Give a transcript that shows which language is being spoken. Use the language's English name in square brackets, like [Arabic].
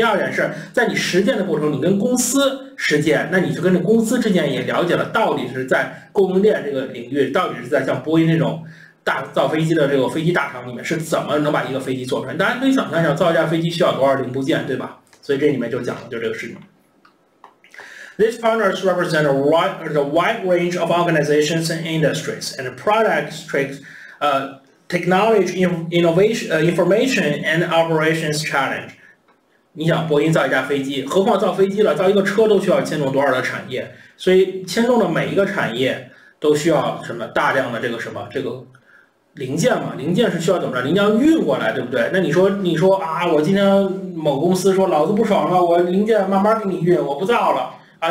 [Chinese] 第二点是在你实践的过程，你跟公司实践，那你就跟这公司之间也了解了，到底是在供应链这个领域，到底是在像波音那种大造飞机的这个飞机大厂里面，是怎么能把一个飞机做出来。大家可以想象一下，造一架飞机需要多少零部件，对吧？所以这里面就讲的就是这个事情。 [English] These partners represent a wide range of organizations and industries, and products, technology, innovation, information, and operations challenge. [Chinese] 你想，波音造一架飞机，何况造飞机了，造一个车都需要牵动多少的产业？所以牵动的每一个产业都需要什么大量的这个什么这个零件嘛？零件是需要怎么着？零件运过来，对不对？那你说啊，我今天某公司说老子不爽了，我零件慢慢给你运，我不造了。啊！